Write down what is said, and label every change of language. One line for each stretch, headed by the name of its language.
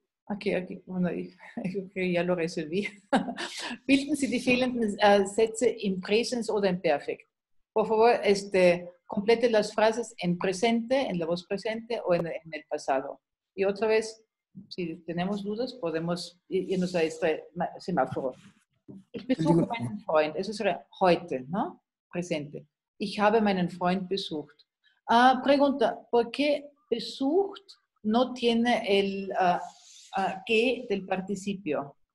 Spanish: Aquí, bueno, okay, ya lo resolví.
German: Bilden Sie die fehlenden Sätze im Präsens oder im Perfekt.
Spanish: Por favor, complete las frases en presente, en la voz presente o en el pasado. Y otra vez, si tenemos dudas, podemos irnos a este semáforo.
German: Ich besuche meinen Freund. Es ist heute, ¿no? Presente. Ich habe meinen Freund besucht.
Spanish: Pregunta, ¿por qué besucht no tiene el que del participio?